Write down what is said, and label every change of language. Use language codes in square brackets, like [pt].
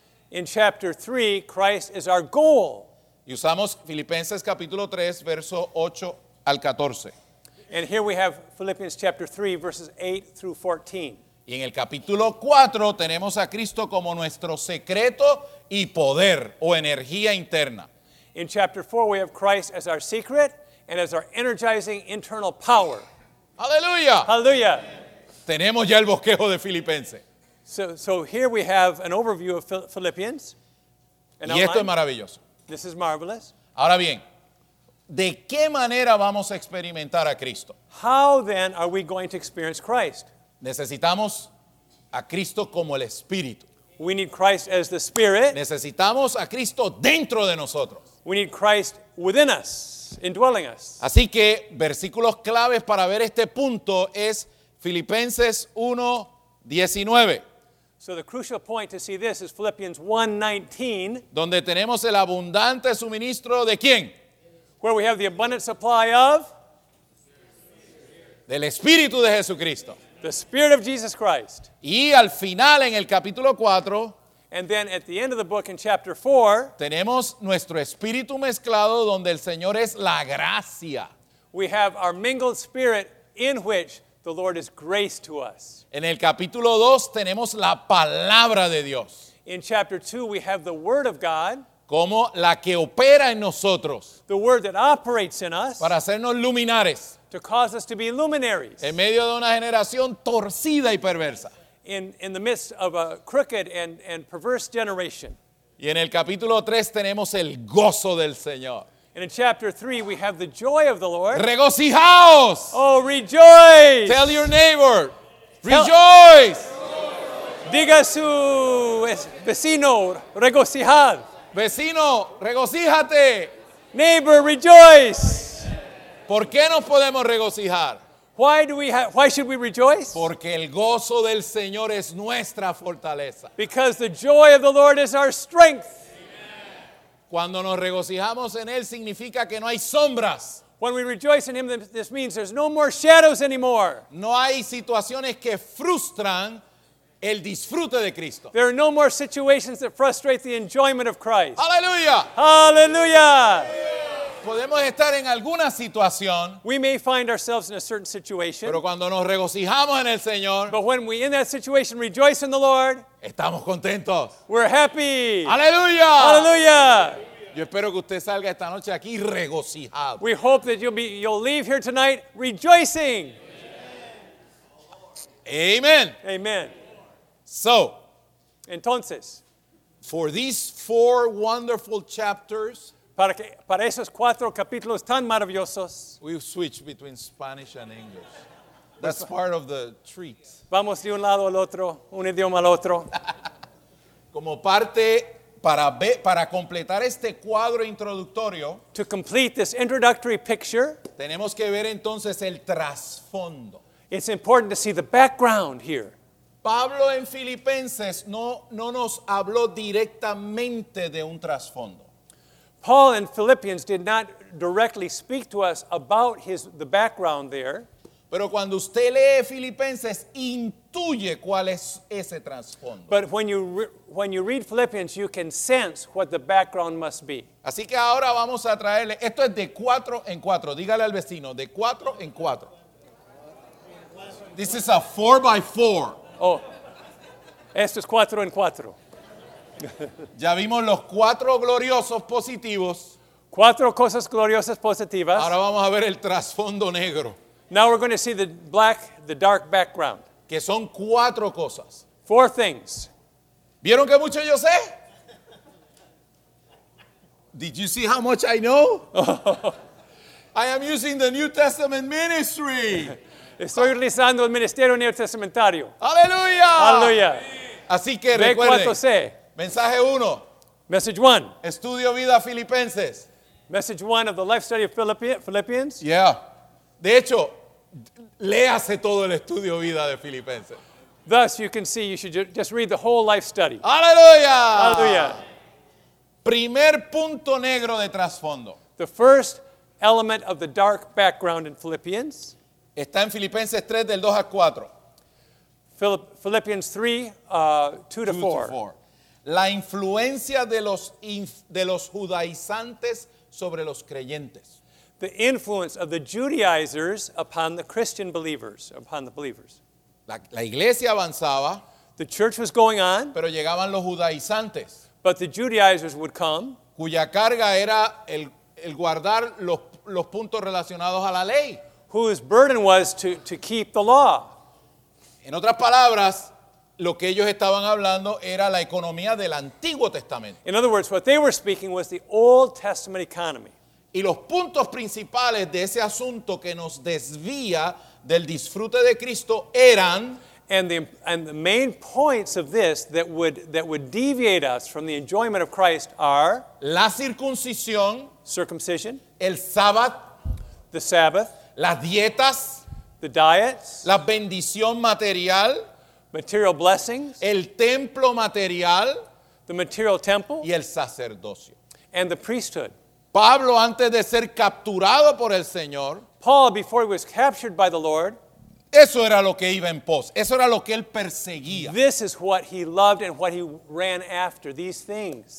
[en] In chapter 3, Christ is our goal. [es] Y usamos Filipenses capítulo 3, verso 8 al 14. [en] And here we have Philippians chapter 3, verses 8 through 14. [es] Y en el capítulo 4 tenemos a Cristo como nuestro secreto y poder o energía interna. [en] In chapter 4 we have Christ as our secret and as our energizing internal power. [es] ¡Aleluya! ¡Aleluya! Tenemos ya el bosquejo de Filipenses. [en] So here we have an overview of Philippians. [es] And y esto online. Es maravilloso. [en] This is marvelous. [es] Ahora bien, ¿de qué manera vamos a experimentar a Cristo? [en] How then are we going to experience Christ? [es] Necesitamos a Cristo como el Espíritu. [en] We need Christ as the Spirit. [es] Necesitamos a Cristo dentro de nosotros. [en] We need Christ within us, indwelling us. [es] Así que versículos claves para ver este punto es Filipenses 1:19. [en] So the crucial point to see this is Philippians 1:19. [es] Donde tenemos el abundante suministro ¿de quién? [en] Where we have the abundant supply of? [es] Del Espíritu de Jesucristo. [en] The Spirit of Jesus Christ. [es] Y al final en el capítulo 4. [en] And then at the end of the book in chapter 4. [es] Tenemos nuestro espíritu mezclado donde el Señor es la gracia. [en] We have our mingled spirit in which the Lord is grace to us. [es] En el capítulo 2 tenemos la palabra de Dios. [en] In chapter 2 we have the Word of God. [es] Como la que opera en nosotros. [en] The word that operates in us. [es] Para hacernos luminares. [en] To cause us to be luminaries. [es] En medio de una generación torcida y perversa. [en] In the midst of a crooked and perverse generation. [es] Y en el capítulo 3 tenemos el gozo del Señor. [en] And in chapter 3 we have the joy of the Lord. [es] ¡Regocijaos! [en] Oh, rejoice! Tell your neighbor, rejoice! [es] Diga su vecino, regocijad. Vecino, regocíjate. [en] Neighbor, rejoice. [es] ¿Por qué nos podemos regocijar? [en] Why should we rejoice? [es] Porque el gozo del Señor es nuestra fortaleza. [en] Because the joy of the Lord is our strength. [es] Cuando nos regocijamos en Él significa que no hay sombras. [en] When we rejoice in Him, this means there's no more shadows anymore. [es] No hay situaciones que frustran el disfrute de Cristo. [en] There are no more situations that frustrate the enjoyment of Christ. Hallelujah. Hallelujah. [es] Podemos estar en alguna situación. [en] We may find ourselves in a certain situation. [es] Pero cuando nos regocijamos en el Señor. [en] But when we in that situation rejoice in the Lord. [es] Estamos contentos. [en] We're happy. Hallelujah. Hallelujah. [es] Yo espero que usted salga esta noche aquí regocijado. [en] We hope that you'll leave here tonight rejoicing. Amen. Amen. Amen. So, [es] entonces, [en] for these four wonderful chapters, [es] para esos cuatro capítulos tan maravillosos, [en] we switch between Spanish and English. That's part of the treat. [es] Vamos de un lado al otro, un idioma al otro. Como parte para completar este cuadro introductorio, [en] to complete this introductory picture, [es] tenemos que ver entonces el trasfondo. [en] It's important to see the background here. [es] Pablo en Filipenses no nos habló directamente de un trasfondo. [en] Paul in Philippians did not directly speak to us about the background there. [es] Pero cuando usted lee Filipenses, intuye cuál es ese trasfondo. [en] But when you read Philippians, you can sense what the background must be. [es] Así que ahora vamos a traerle, esto es de cuatro en cuatro. Dígale al vecino, de cuatro en cuatro. [en] This is a 4x4. [es] Oh, esto es cuatro en cuatro. Ya vimos los cuatro gloriosos positivos. Cuatro cosas gloriosas positivas. Ahora vamos a ver el trasfondo negro. [en] Now we're going to see the dark background. [es] Que son cuatro cosas. [en] Four things. [es] ¿Vieron qué mucho yo sé? [en] Did you see how much I know? I am using the New Testament ministry. [es] Estoy utilizando el ministerio neotestamentario. ¡Aleluya! ¡Aleluya! Así que recuerde. Mensaje 1. [en] Message 1. [es] Estudio vida Filipenses. [en] Message 1 of the life study of Philippians. Yeah. [es] De hecho, léase todo el estudio vida de Filipenses. [en] Thus, you can see, you should just read the whole life study. [es] ¡Aleluya! ¡Aleluya! Primer punto negro de trasfondo. [en] The first element of the dark background in Philippians. [es] Está en Filipenses 3, del 2 al 4. [en] Philippians 3, 2 to 4. [es] La influencia de los judaizantes sobre los creyentes. [en] The influence of the Judaizers upon the Christian believers, upon the believers. [es] La iglesia avanzaba. [en] The church was going on. [es] Pero llegaban los judaizantes. [en] But the Judaizers would come. [es] Cuya carga era el guardar los puntos relacionados a la ley. [en] Whose burden was to keep the law. [es] En otras palabras, lo que ellos estaban hablando era la economía del Antiguo Testamento. [en] In other words, what they were speaking was the Old Testament economy. [es] Y los puntos principales de ese asunto que nos desvía del disfrute de Cristo eran, [en] and the main points of this that would deviate us from the enjoyment of Christ are [es] la circuncisión, [en] circumcision, [es] el sábado, [en] the Sabbath, [es] las dietas, [en] the diets, [es] la bendición material, [en] material blessings, [es] el templo material, [en] the material temple, [es] y el sacerdocio, [en] and the priesthood. [es] Pablo, antes de ser capturado por el Señor, [en] Paul, before he was captured by the Lord, [es] eso era lo que iba en pos, eso era lo que él perseguía. [en] This is what he loved and what he ran after, these things.